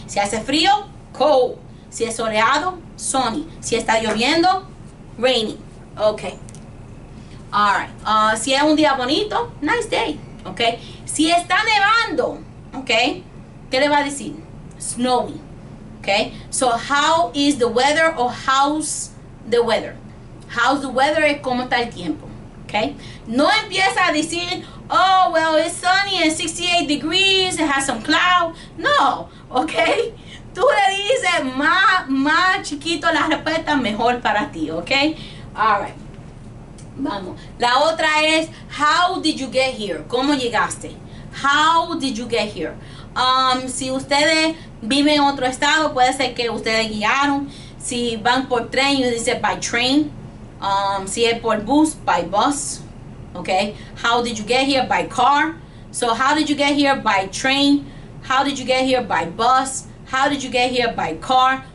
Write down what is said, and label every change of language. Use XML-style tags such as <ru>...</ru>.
<es>Si hace frío, cold. Si es soleado, sunny. Si está lloviendo, rainy. Okay. Alright. Si es un día bonito,</es> <en>nice day.</en> <es>Okay. Si está nevando, okay, ¿qué le va a decir?</es> <en>Snowy. Okay. So, how is the weather or how's the weather? How's the weather</en> <es>es cómo está el tiempo.</es> <en>Okay.</en> <es>No empieza a decir,</es> <en>oh, well, it's sunny and 68 degrees, it has some cloud. No, okay.</en> <es>Tú le dices más chiquito la respuesta, mejor para ti, okay.</es> <en>All right. Vamos.</en> <es>La otra es,</es> <en>how did you get here?</en> <es>¿Cómo llegaste?</es> <en>How did you get here?</en> <es>Si ustedes viven en otro estado, puede ser que ustedes guiaron. Si van por tren, you dice</es> <en>by train.</en> <es>Si es por bus,</es> <en>by bus. Okay, how did you get here? By car. So how did you get here? By train. How did you get here? By bus. How did you get here? By car.</en>